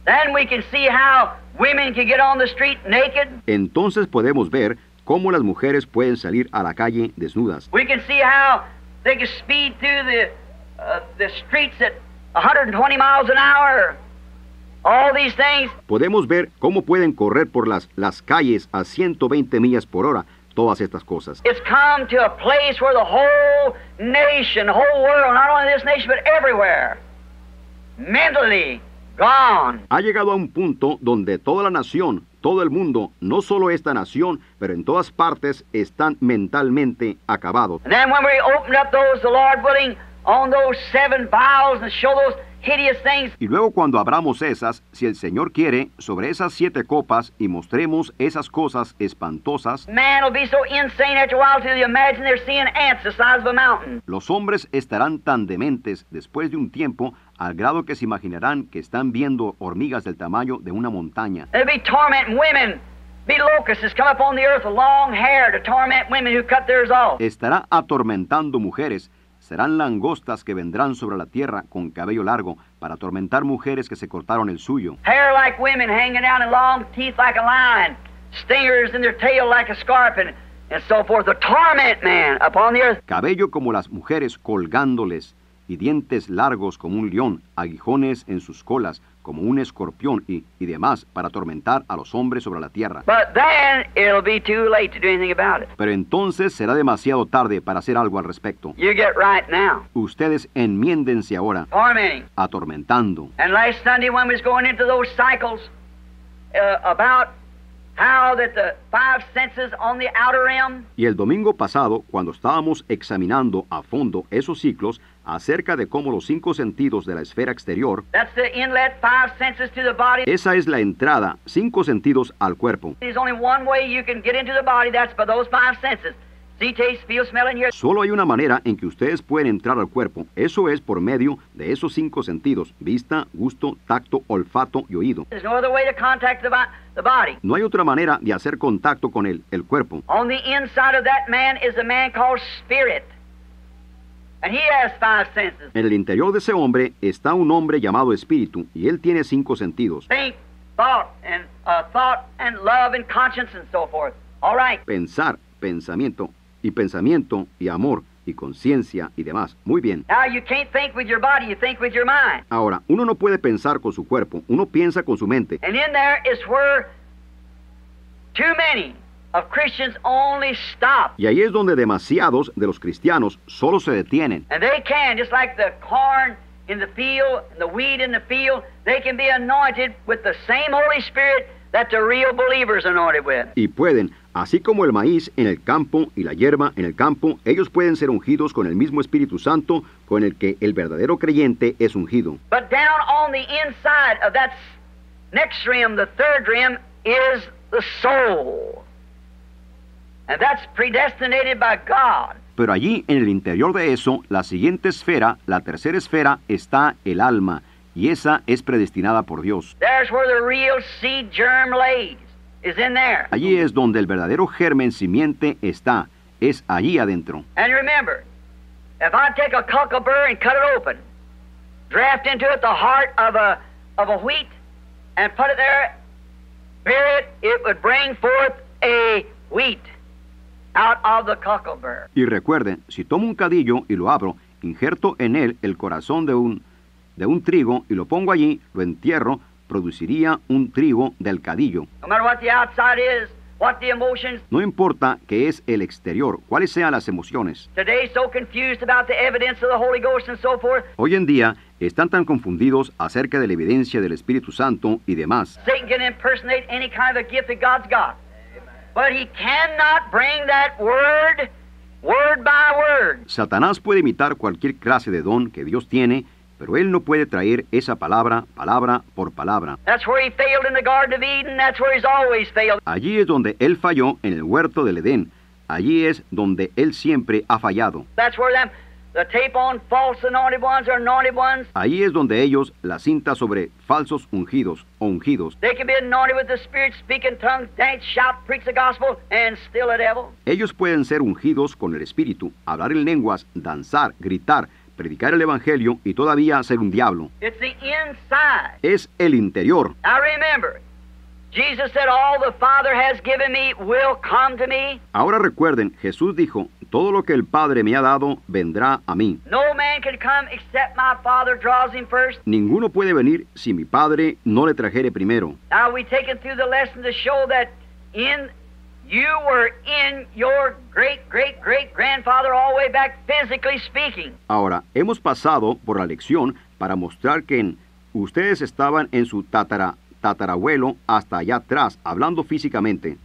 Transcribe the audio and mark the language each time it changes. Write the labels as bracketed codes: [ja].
[en] Then we can see how women can get on the street naked. [es] Entonces podemos ver cómo las mujeres pueden salir a la calle desnudas. [en] We can see how they can speed through the streets at 120 miles an hour, all these things. [es] Podemos ver cómo pueden correr por las calles a 120 millas por hora, todas estas cosas. [en] It's come to a place where the whole nation, the whole world, not only this nation, but everywhere, mentally gone. [es] Ha llegado a un punto donde toda la nación, todo el mundo, no solo esta nación, pero en todas partes, están mentalmente acabados. [en] And then when we open up those, the Lord willing, on those seven vials and show those hideous things. [es] Y luego cuando abramos esas, si el Señor quiere, sobre esas siete copas y mostremos esas cosas espantosas. [en] Man will be so insane after a while till you imagine they're seeing ants the size of a mountain. [es] Los hombres estarán tan dementes después de un tiempo al grado que se imaginarán que están viendo hormigas del tamaño de una montaña. [en] They'll be tormenting women. Be locusts has come up on the earth with long hair to torment women who cut theirs off. [es] Estará atormentando mujeres. Serán langostas que vendrán sobre la tierra con cabello largo para atormentar mujeres que se cortaron el suyo. [en] Hair like women hanging down and long teeth like a lion, stingers in their tail like a scorpion, and so forth. The torment man upon the earth. [es] Cabello como las mujeres colgándoles y dientes largos como un león, aguijones en sus colas como un escorpión y demás para atormentar a los hombres sobre la tierra. [en] But then it'll be too late to do anything about it. [es] Pero entonces será demasiado tarde para hacer algo al respecto. [en] You get right now. [es] Ustedes enmiéndense ahora. [en] Tormenting. [es] Atormentando. [en] And last Sunday when we was going into those cycles about how that the five senses on the outer rim. [es] Y el domingo pasado, cuando estábamos examinando a fondo esos ciclos acerca de cómo los cinco sentidos de la esfera exterior. [en] That's the inlet, five senses to the body. [es] Esa es la entrada, cinco sentidos al cuerpo. [en] There's only one way you can get into the body, that's by those five senses. See, taste, feel, smell, and hear. [es] Solo hay una manera en que ustedes pueden entrar al cuerpo. Eso es por medio de esos cinco sentidos: vista, gusto, tacto, olfato y oído. [en] There's no other way to contact the body. [es] No hay otra manera de hacer contacto con el cuerpo. [en] On the inside of that man is a man called spirit. And he has five senses. [es] En el interior de ese hombre está un hombre llamado espíritu y él tiene cinco sentidos. [en] Think, thought and love and conscience and so forth. All right. [es] Pensar, pensamiento y amor, y conciencia y demás. Muy bien. [en] Now you can't think with your body, you think with your mind. [es] Ahora, uno no puede pensar con su cuerpo, uno piensa con su mente. [en] And in there is where too many of Christians only stop. [es] Y ahí es donde demasiados de los cristianos solo se detienen. [en] And they can, just like the corn in the field, the wheat in the field, they can be anointed with the same Holy Spirit that the real believers are anointed with. [es] Y pueden, así como el maíz en el campo y la hierba en el campo, ellos pueden ser ungidos con el mismo Espíritu Santo con el que el verdadero creyente es ungido. [en] But down on the inside of that next rim, the third rim, is the soul. And that's predestinated by God. [es] Pero allí, en el interior de eso, la siguiente esfera, la tercera esfera, está el alma, y esa es predestinada por Dios. [en] There's where the real seed germ lays, is in there. [es] Allí es donde el verdadero germen simiente está, es allí adentro. [en] And remember, if I take a cocklebur and cut it open, draft into it the heart of a wheat, and put it there, bury it, it would bring forth a wheat. Out of the cocklebur. [es] Y recuerden, si tomo un cadillo y lo abro, injerto en él el corazón de un trigo y lo pongo allí, lo entierro, produciría un trigo del cadillo. [en] No matter what the outside is, what the emotions. [es] No importa qué es el exterior, cuáles sean las emociones. [en] Today so confused about the evidence of the Holy Ghost and so forth. [es] Hoy en día están tan confundidos acerca de la evidencia del Espíritu Santo y demás. [en] Satan can impersonate any kind of a gift that God's got. But he cannot bring that word by word. [es] Satanás puede imitar cualquier clase de don que Dios tiene, pero él no puede traer esa palabra, palabra por palabra. [en] That's where he failed in the Garden of Eden. That's where he's always failed. [es] Allí es donde él falló en el huerto del Edén. Allí es donde él siempre ha fallado. [en] That's where the tape on false anointed ones or anointed ones. [es] Ahí es donde ellos, la cinta sobre falsos ungidos o ungidos. [en] They can be anointed with the Spirit, speak in tongues, dance, shout, preach the gospel, and still a devil. [es] Ellos pueden ser ungidos con el Espíritu, hablar en lenguas, danzar, gritar, predicar el Evangelio, y todavía ser un diablo. [en] It's the inside. [es] Es el interior. [en] I remember, Jesus said, all the Father has given me will come to me. [es] Ahora recuerden, Jesús dijo, todo lo que el Padre me ha dado vendrá a mí. [en] No man can come except my Father draws him first. [es] Ninguno puede venir si mi Padre no le trajere primero. [en] Now we take it through the lesson to show that in you were in your great great great grandfather all the way back physically speaking. [es] Ahora hemos pasado por la lección para mostrar que ustedes estaban en su tatarabuelo hasta allá atrás hablando físicamente.